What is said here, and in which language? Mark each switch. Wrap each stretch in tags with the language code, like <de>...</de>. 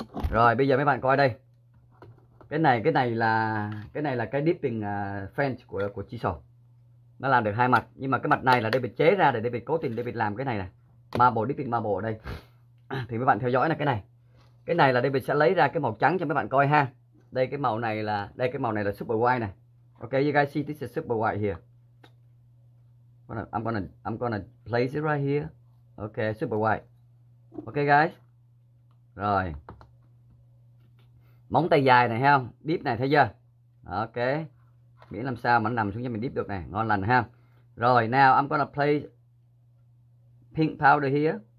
<vi>Rồi bây giờ mấy bạn coi đây. Cái này là cái dipping French của chisel. Nó làm được hai mặt, nhưng mà cái mặt này là để bị chế ra để bị cố tình để bị làm cái này nè. Marble dipping marble ở đây. Thì mấy bạn theo dõi là cái này. Cái này là để mình sẽ lấy ra cái màu trắng cho mấy bạn coi ha. Đây cái màu này là super white này.</vi> <en>Ok, you guys see this is super white here. I'm gonna place it right here. Ok, super white. Ok guys. Rồi.</en> <vi>Móng tay dài này, thấy không? Deep này, thấy chưa? Ok. Miễn làm sao mà nó nằm xuống cho mình deep được này. Ngon lành, ha.</vi> <en>Rồi, now I'm gonna place pink powder here.</en>